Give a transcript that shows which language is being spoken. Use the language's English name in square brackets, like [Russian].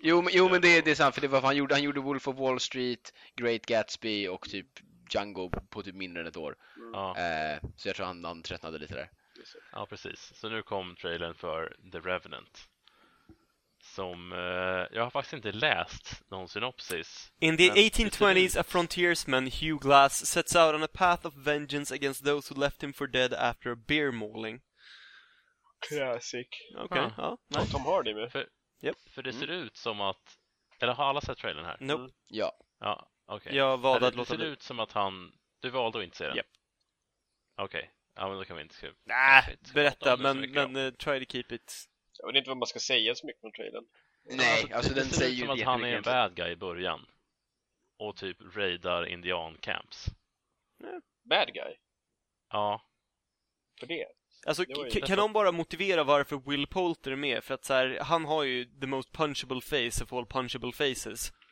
[Swedish] Jo men det är sant, för det var för han gjorde Wolf of Wall Street, Great Gatsby och typ Django på typ mindre än ett år. Så jag tror han tröttnade lite där. Ja, precis. Så nu kom trailern för The Revenant. Som, jag har faktiskt inte läst någon synopsis. [English] In the 1820s, a frontiersman, Hugh Glass, sets out on a path of vengeance against those who left him for dead after a beer mauling. Classic. Okay. Ja, [Swedish] nice. Tom Hardy med. För det ser ut som att, eller har alla sett trailern här? [English] Nope. [Swedish] Ja. Ja, okej. Okay. Jag valde att låta det. Ser ut som att han, du valde att inte se den? [English] Yep. [Swedish] Okej, okay. Ja men då kan vi inte skriva. Nej, berätta, men [English] try to keep it. [Swedish] Jag vet inte vad man ska säga så mycket från trailern. Nej, alltså den det säger som ju som att han är en bad guy i början. Och typ raidar indian camps. Bad guy? Ja. För det? Alltså, det kan någon bara motivera varför Will Poulter är med? För att så här, han har ju [English] the most punchable face of all punchable faces.